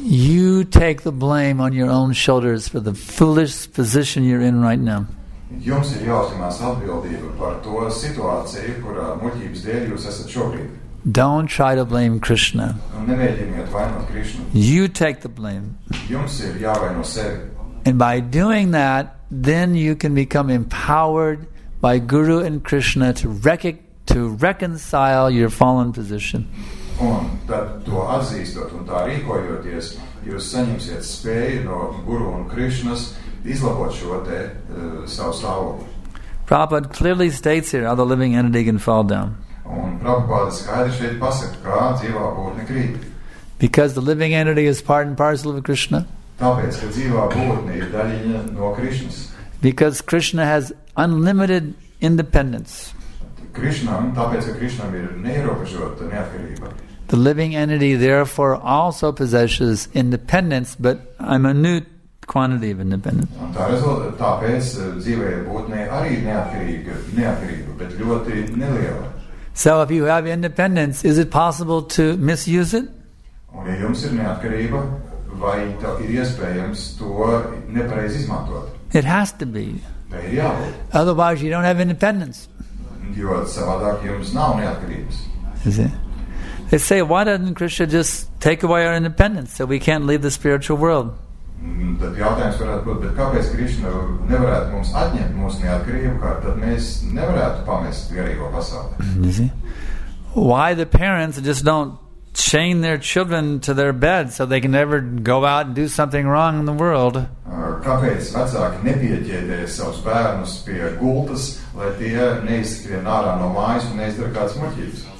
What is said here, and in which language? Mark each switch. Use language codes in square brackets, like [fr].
[en] You take the blame on your own shoulders for the foolish position you're in right now. [lv] Jums ir jāuzņemās atbildība par to situāciju, kurā muļķības dēļ jūs esat šobrīd. [en] Don't try to blame Krishna. [lv] Nemēģiniet vainot Krishna. [en] You take the blame. [lv] Jums ir jāvaino sevi. [en] And by doing that, then you can become empowered by Guru and Krishna to reconcile your fallen position. [lv] Un tad to atzīstot un tā rīkojoties, jūs saņemsiet spēju no Guru un Krishnas izlabot šo te savu stāvokli. [en] Prabhupada clearly states here how the living entity can fall down. [lv] Un Prabhupada skaidri šeit pasaka, kā dzīvā būtne krīt. [en] Because the living entity is part and parcel of Krishna. [lv] Tāpēc, ka dzīvā būtne ir daļiņa no Krishnas. [en] Because Krishna has unlimited independence. [lv] Krishnam, tāpēc, ka Krishnam ir neierobežota neatkarība. [en] The living entity therefore also possesses independence, but I'm a new quantity of independence. [lv] Tāpēc dzīvējie būtnē arī neatkarība, bet ļoti neliela. [en] So if you have independence, is it possible to misuse it? [lv] Un ja jums ir neatkarība, vai tev ir iespējams to nepareizi izmantot? [en] It has to be. [lv] Tai ir jābūt. [en] Otherwise you don't have independence. [lv] Jo savādāk jums nav neatkarības. [en] Is it? They say, why doesn't Krishna just take away our independence so we can't leave the spiritual world? [lv] Tad jautājums varētu būt, bet kāpēc Krishna nevarētu mums atņemt mūsu neatkarību, kā tad mēs nevarētu pamest garīgo pasauli. [en] You see? Why the parents just don't chain their children to their bed so they can never go out and do something wrong in the world? [lv] Kāpēc vecāki nepieķēdē savus bērnus pie gultas, lai tie neizskrien ārā no mājas un neizdara kāds muļķības?